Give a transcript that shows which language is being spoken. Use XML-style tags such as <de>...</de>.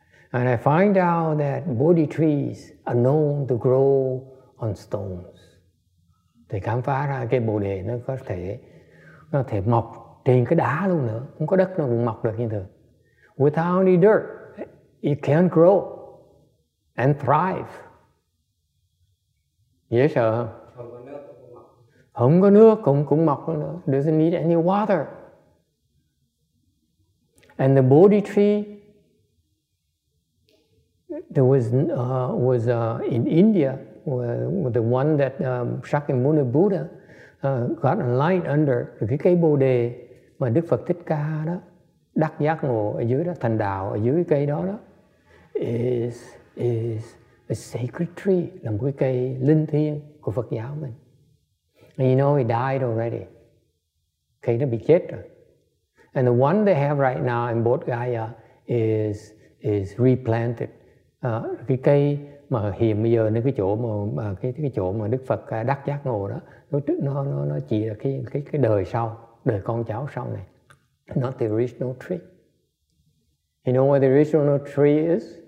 <en>And I find out that Bodhi trees are known to grow on stones.</en> <vi>Thì khám phá ra cái bồ đề nó có thể mọc trên cái đá luôn nữa. Không có đất nó cũng mọc được như thường.</vi> <en>Without any dirt, it can grow and thrive.</en> <vi>Dễ sợ không? Không có nước cũng mọc luôn nữa.</vi> <en>Doesn't need any water. And the Bodhi tree, there was in India, the one that Shakyamuni Buddha got enlightened under.</en> <vi>Cái cây bồ đề mà Đức Phật Thích Ca đó đắc giác ngộ ở dưới đó, thành đạo ở dưới cây đó</vi> <en>is a sacred tree,</en> <vi>là một cái cây linh thiêng của Phật giáo mình.</vi> <en>And you know, he died already.</en> <vi>Cây nó bị chết rồi.</vi> <en>And the one they have right now in Bodh Gaya is replanted.</en> <vi>Cái cây mà hiện bây giờ nơi cái chỗ mà Đức Phật đắc giác ngộ đó, nó chỉ là cái đời sau, đời con cháu sau này.</vi> <en>Not the original tree. You know what the original tree is?</en>